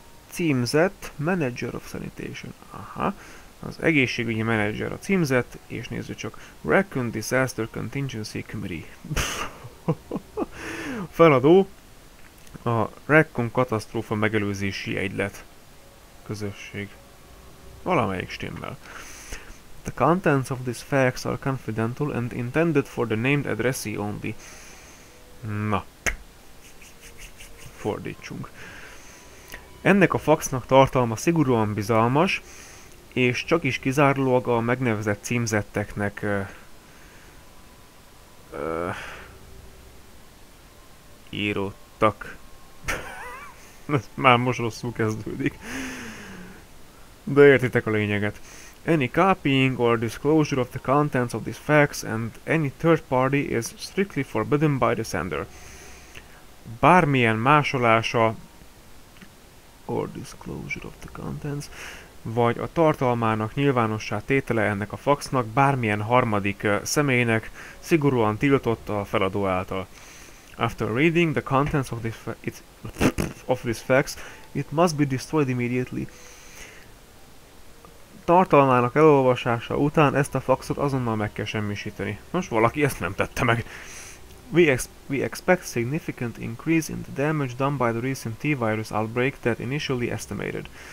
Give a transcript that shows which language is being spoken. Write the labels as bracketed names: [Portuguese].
[Hungarian] Címzett, [English] Manager of Sanitation. [Hungarian] Aha. Az egészségügyi menedzser a címzett, és nézzük csak, Raccoon Disaster Contingency Committee. Feladó, a Raccoon Katasztrófa Megelőzési Egylet. Közösség. Valamelyik stimmel. [English] The contents of this fax are confidential and intended for the named addressee only. [Hungarian] Na. Fordítsunk. Ennek a faxnak tartalma szigorúan bizalmas, és csak is kizárólag a megnevezett címzetteknek... írottak. Már most rosszul kezdődik. De értitek a lényeget. [English] Any copying or disclosure of the contents of these facts and any third party is strictly forbidden by the sender. [Hungarian] Bármilyen másolása... [English] or disclosure of the contents... [Hungarian] vagy a tartalmának nyilvánossá tétele ennek a faxnak bármilyen harmadik személynek szigorúan tiltott a feladó által. [English] After reading the contents of this, fax, it must be destroyed immediately. [Hungarian] Tartalmának elolvasása után ezt a faxot azonnal meg kell semmisíteni. Nos, valaki ezt nem tette meg. [English] We expect significant increase in the damage done by the recent T-virus outbreak that initially estimated.